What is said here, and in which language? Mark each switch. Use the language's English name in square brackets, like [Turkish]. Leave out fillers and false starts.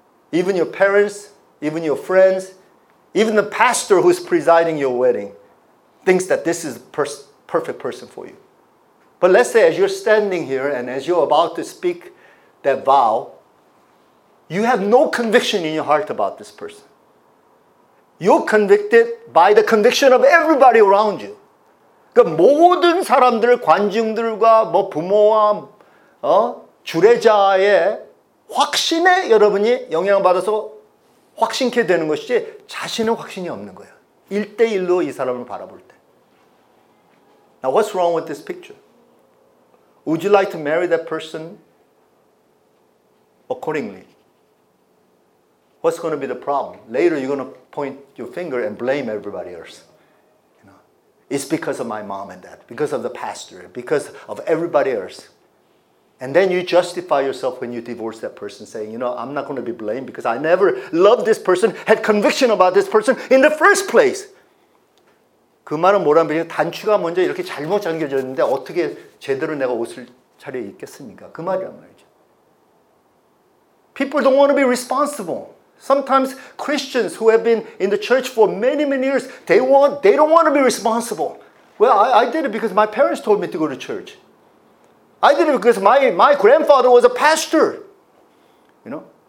[English] Even your parents, even your friends, even the pastor who's presiding your wedding thinks that this is the perfect person for you. But let's say as you're standing here and as you're about to speak that vow, you have no conviction in your heart about this person. You're convicted by the conviction of everybody around you. [Korean] 그러니까 모든 사람들, 관중들과 뭐 부모와 주례자의 확신에 여러분이 영향받아서 확신케 되는 것이지 자신은 확신이 없는 거예요. 1대1로 이 사람을 바라볼 때. [English] Now what's wrong with this picture? Would you like to marry that person accordingly? What's going to be the problem? Later you're going to point your finger and blame everybody else. You know, it's because of my mom and dad, because of the pastor, because of everybody else. And then you justify yourself when you divorce that person saying, you know, I'm not going to be blamed because I never loved this person, had conviction about this person in the first place. [Korean] 그 말은 뭐라면 단추가 먼저 이렇게 잘못 잠겨졌는데 어떻게 제대로 내가 옷을 차려 입겠습니까? 그 말이란 말이죠. [English] People don't want to be responsible. Sometimes Christians who have been in the church for many, many years, they don't want to be responsible. Well, I did it because my parents told me to go to church. I did it because my grandfather was a pastor. You know?